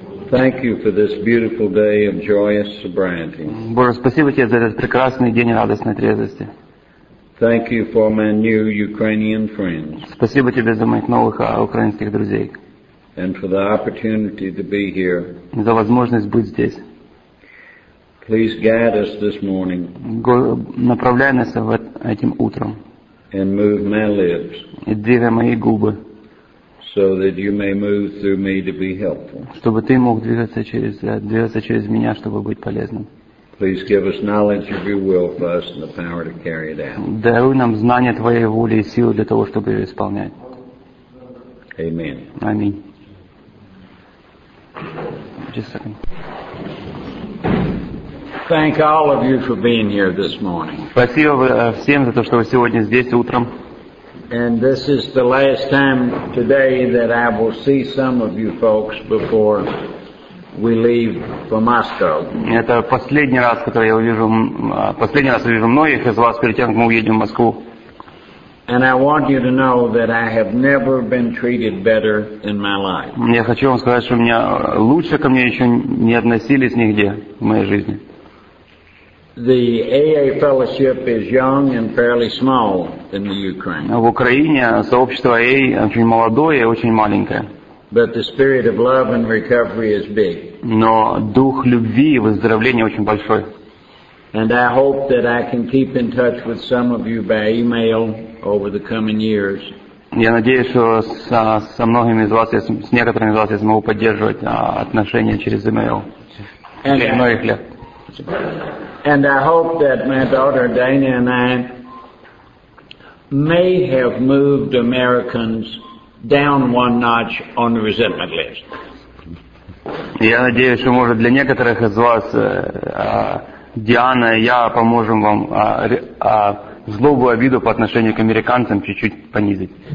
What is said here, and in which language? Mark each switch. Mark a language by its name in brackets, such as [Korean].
[English] thank you for this beautiful day of joyous sobriety. [Russian] Боже, спасибо тебе за этот прекрасный день радостной трезвости. [English] Thank you for my new Ukrainian friends. [Russian] Спасибо тебе за моих новых украинских друзей. [English] And for the opportunity to be here. [Russian] За возможность быть здесь. [English] Please guide us this morning. [Russian] Направляй нас этим утром. [English] And move my lips. [Russian] И двигай мои губы. [English] So that you may move through me to be helpful. [Russian] Чтобы ты мог двигаться через меня, чтобы быть полезным. [English] Please give us knowledge of your will for us and the power to carry it out. [Russian] Даруй нам знание твоей воли и силы для того, чтобы ее исполнять. [English] Amen. [Russian] Аминь. [English] Just a second. Thank all of you for being here this morning. [Russian] Спасибо всем за то, что вы сегодня здесь утром. [English] And this is the last time today that I will see some of you folks before we leave for Moscow. [Russian] Это последний раз, который я увижу, последний раз увижу многих из вас перед тем, как мы уедем в Москву. [English] And I want you to know that I have never been treated better in my life. [Russian] Я хочу вам сказать, что меня лучше ко мне еще не относились нигде в моей жизни. [English] The AA fellowship is young and fairly small in the Ukraine. [Russian] В Украине сообщество AA очень молодое и очень маленькое. [English] But the spirit of love and recovery is big. [Russian] Но дух любви и выздоровления очень большой. [English] And I hope that I can keep in touch with some of you by email over the coming years. [Russian] Я надеюсь, что со многими из вас, с некоторыми из вас я смогу поддерживать отношения через email. [English] And I hope that my daughter Dana and I may have moved Americans down one notch on the resentment list. [Russian] Я надеюсь, что может для некоторых из вас Диана и я поможем вам злобу обиду по отношению к американцам чуть-чуть понизить.